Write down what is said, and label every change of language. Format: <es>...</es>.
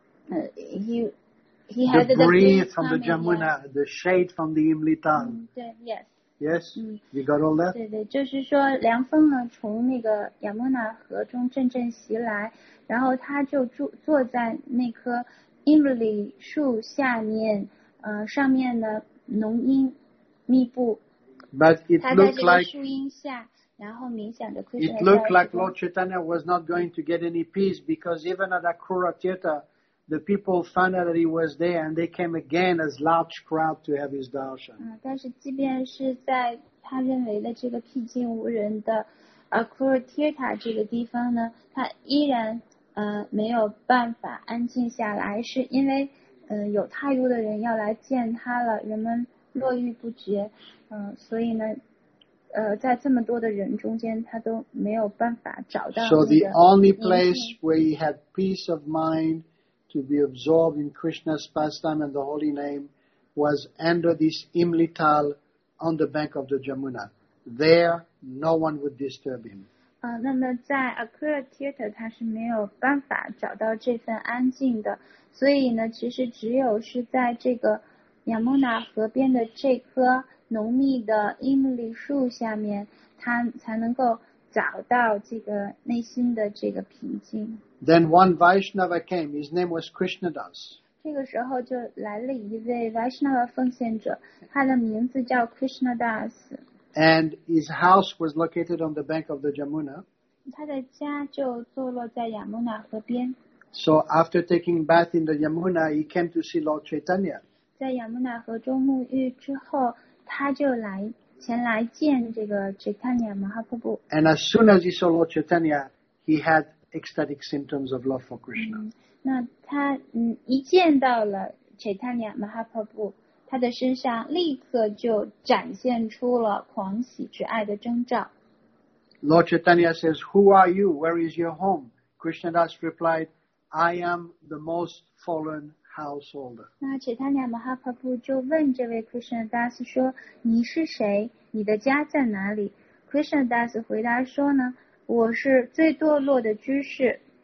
<en>The breeze from the Jamuna, the shade from the Imlital. Yes. You got all that?</en> <zh>对对，就是说凉风呢从那个亚莫纳河中阵阵袭来，然后他就坐在那棵Imli 树下面，上面呢浓荫密布。</zh> <en>But it looked like</en> <zh>树荫下，然后冥想着 Krishna。</zh> <en>It looked like Lord Chaitanya was not going to get any peace because even at Akurtirtha, the people found out that he was there and they came again as large crowd to have his darshan。</en> <zh>但是即便是在他认为的这个僻静无人的 Akurtirtha 这个地方呢，他依然。没有办法安静下来，是因为有太多的人要来见他了，人们络绎不绝，所以呢，在这么多的人中间，他都没有办法找到那个。</zh> <en>So the only place where he had peace of mind to be absorbed in Krishna's pastime and the holy name was under this Imlital on the bank of the Jamuna. There, no one would disturb him.</en> <zh>那么在 Akurtirtha 他是没有办法找到这份安静的，所以呢，其实只有是在这个亚莫纳河边的这棵浓密的樱梨树下面，他才能够找到这个内心的这个平静。</zh> <en>Then one Vaishnava came, his name was Krishnadas.</en> <zh>这个时候就来了一位 Vaishnava 奉献者，他的名字叫 Krishnadas.</zh> <en>And his house was located on the bank of the Jamuna.</en> <zh>他的家就坐落在亚穆纳河边。</zh> <en>So after taking bath in the Yamuna, he came to see Lord Chaitanya.</en> <zh>在亚穆纳河中沐浴之后，他就前来见这个 Chaitanya Mahaprabhu.</zh> <en>And as soon as he saw Lord Chaitanya, he had ecstatic symptoms of love for Krishna.</en> <zh>那他一见到了 Chaitanya Mahaprabhu. 他的身上立刻就展现出了狂喜之爱的征兆。</zh> <en>Lord Chaitanya says, Who are you? Where is your home? Krishnadas replied, I am the most fallen household.</en> <zh>那 Chaitanya Mahaprabhu 就问这位 Krishna Das 说，你是谁？你的家在哪里？Krishna Das 回答说呢，我是最堕落的居士。</zh>